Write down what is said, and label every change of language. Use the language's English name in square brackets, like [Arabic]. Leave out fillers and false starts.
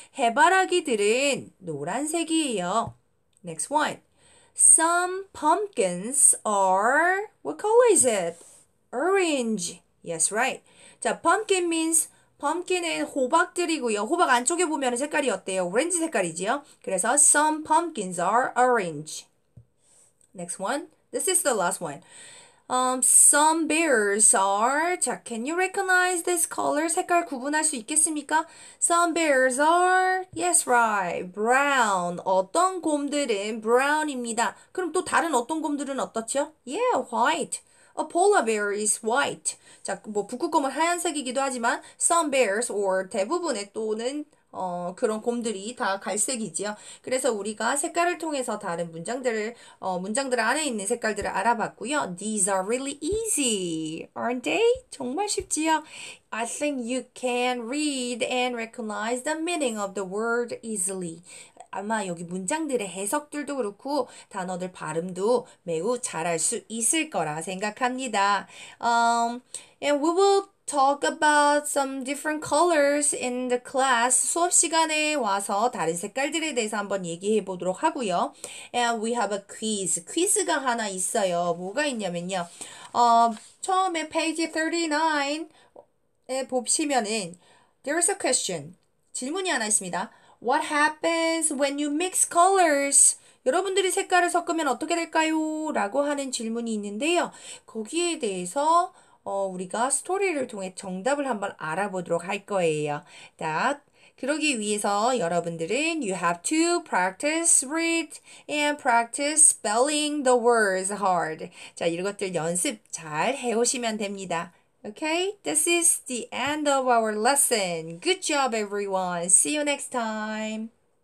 [Korean] 해바라기들은 노란색이에요. [English] Next one. Some pumpkins are, what color is it? Orange. Yes, right. 자, pumpkin means, pumpkin은 [Korean] 호박들이고요. 호박 안쪽에 보면 색깔이 어때요? 오렌지 색깔이지요? 그래서 [English] some pumpkins are orange. Next one. This is the last one. Some bears are. 자, can you recognize this color? [Korean] 색깔 구분할 수 있겠습니까? [English] Some bears are. Yes, right. Brown. [Korean] 어떤 곰들은 brown입니다. 그럼 또 다른 어떤 곰들은 어떻죠? [English] Yeah, white. A polar bear is white. [Korean] 자, 뭐 북극곰은 하얀색이기도 하지만 [English] some bears or [Korean] 대부분의 또는 그런 곰들이 다 갈색이지요. 그래서 우리가 색깔을 통해서 다른 문장들 안에 있는 색깔들을 알아봤고요. [English] These are really easy, aren't they? [Korean] 정말 쉽지요. [English] I think you can read and recognize the meaning of the word easily. [Korean] 아마 여기 문장들의 해석들도 그렇고 단어들 발음도 매우 잘할 수 있을 거라 생각합니다. [English] And we will talk about some different colors in the class. [Korean] 수업 시간에 와서 다른 색깔들에 대해서 한번 얘기해 보도록 하고요. [English] And we have a quiz. [Korean] 퀴즈가 하나 있어요. 뭐가 있냐면요. 처음에 페이지 39에 보시면은 [English] there is a question. [Korean] 질문이 하나 있습니다. [English] What happens when you mix colors? [Korean] 여러분들이 색깔을 섞으면 어떻게 될까요? 라고 하는 질문이 있는데요. 거기에 대해서 우리가 스토리를 통해 정답을 한번 알아보도록 할 거예요. 자, 그러기 위해서 여러분들은 [English] you have to practice read and practice spelling the words hard. [Korean] 자, 이것들 연습 잘 해오시면 됩니다. [English] Okay, this is the end of our lesson. Good job, everyone. See you next time.